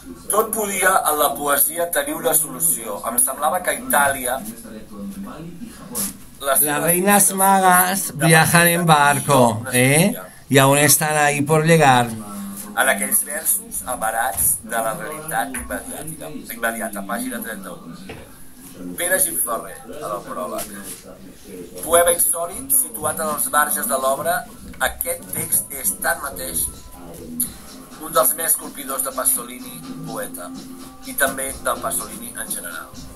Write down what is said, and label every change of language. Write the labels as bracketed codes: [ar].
[ca] Tot podia a la poesia tenir una solució. Em semblava que a Itàlia... [es] Las reinas magas viajan en barco, ¿eh? Y aún están ahí por llegar. [ca] En aquells versos avarats de la realitat immediata, pàgina 31. Pere Gil Ferrer, a la prova. Poema insòlit situat en els marges de l'obra, aquest text és tanmateix un dels més colpidors de Pasolini, poeta, i també del Pasolini en general.